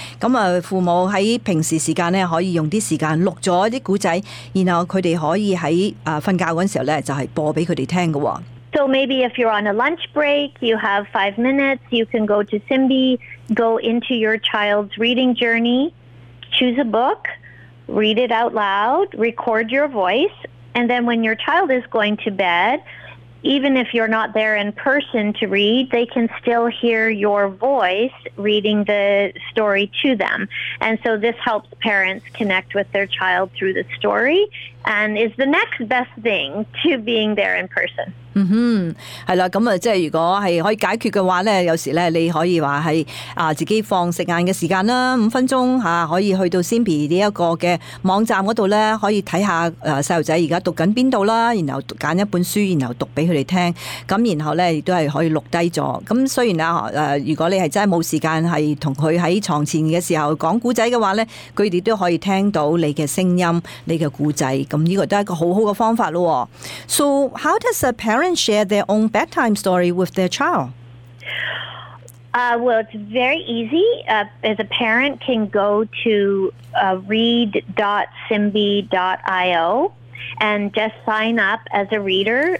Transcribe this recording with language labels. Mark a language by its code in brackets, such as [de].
[yue] 咁父母喺平时时间咧可以用啲时间录咗啲故仔，然后佢哋可以喺瞓觉嗰时候咧就系播俾佢哋听噶。 [en] So maybe if you're on a lunch break, you have 5 minutes, you can go to Simbi, go into your child's reading journey, choose a book, read it out loud, record your voice, and then when your child is going to bed, even if you're not there in person to read, they can still hear your voice reading the story to them. And so this helps parents connect with their child through the story and is the next best thing to being there in person. [yue] 嗯哼，系啦，咁啊，即系如果系可以解决嘅话咧，有时咧你可以话系自己放食晏嘅时间啦，五分钟吓、可以去到 Simbi 呢一个嘅网站嗰度咧，可以睇下细路仔而家读紧边度啦，然后拣一本书，然后读俾佢哋听，咁然后咧亦都系可以录低咗。咁虽然啊如果你系真系冇时间系同佢喺床前嘅时候讲故仔嘅话咧，佢哋都可以听到你嘅声音，你嘅故仔。咁呢个都系一个好好嘅方法咯。 [en] So how does a parent share their own bedtime story with their child? Well, it's very easy. As a parent can go to read.simbi.io and just sign up as a reader.